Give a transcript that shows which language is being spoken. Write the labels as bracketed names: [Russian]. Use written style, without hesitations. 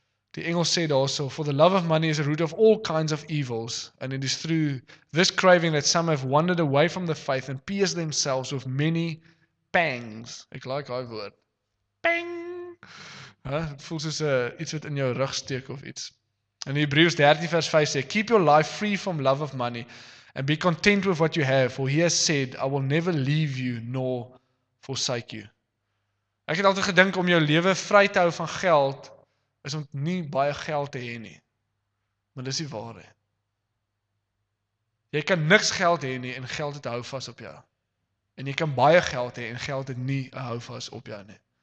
[Afrikaans] Die Engels sê daarso: [English] For the love of money is the root of all kinds of evils, and it is through this craving that some have wandered away from the faith and pierced themselves with many pangs. [Afrikaans] Ek like daai woord. Pang. Hæ, dit voel soos 'n iets wat in jou rug steek of iets. In Hebreërs 13 vers 5 sê: [English] Keep your life free from love of money and be content with what you have, for he has said, I will never leave you nor forsake you. [Afrikaans] Ek het altyd gedink om jou lewe vry te hou van geld is om nie baie geld te hê nie. Maar dis die waarheid. Jy kan niks geld hê nie en geld het hou vas op jou. En jy kan baie geld hê en geld het nie hou vas op jou nie.